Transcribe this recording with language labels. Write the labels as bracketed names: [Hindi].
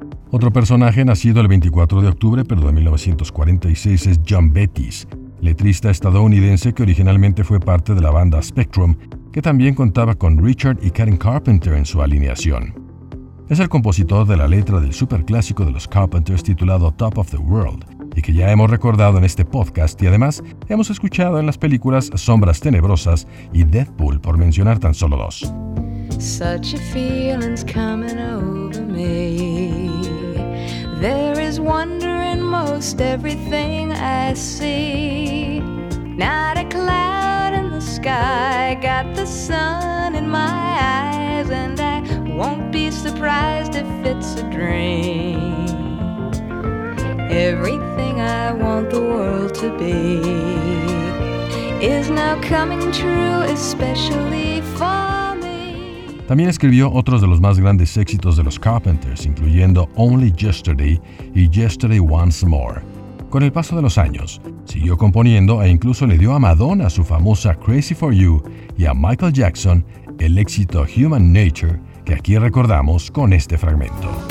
[Spanish] Otro personaje nacido el 24 de octubre pero de 1946 es John Betis, letrista estadounidense que originalmente fue parte de la banda Spectrum, que también contaba con Richard y Karen Carpenter en su alineación. Es el compositor de la letra del superclásico de los Carpenters titulado Top of the World, y que ya hemos recordado en este podcast y además hemos escuchado en las películas Sombras Tenebrosas y Deadpool, por mencionar tan solo 2. [English] Such a feeling's coming over me. There is wonder in most everything I see. Not a cloud in the sky, got the sun in my eyes, and I won't be surprised if it's a dream. Everything I want the world to be is now coming true, especially for. [Spanish] También escribió otros de los más grandes éxitos de los Carpenters, incluyendo Only Yesterday y Yesterday Once More. Con el paso de los años, siguió componiendo e incluso le dio a Madonna su famosa Crazy for You y a Michael Jackson el éxito Human Nature, que aquí recordamos con este fragmento.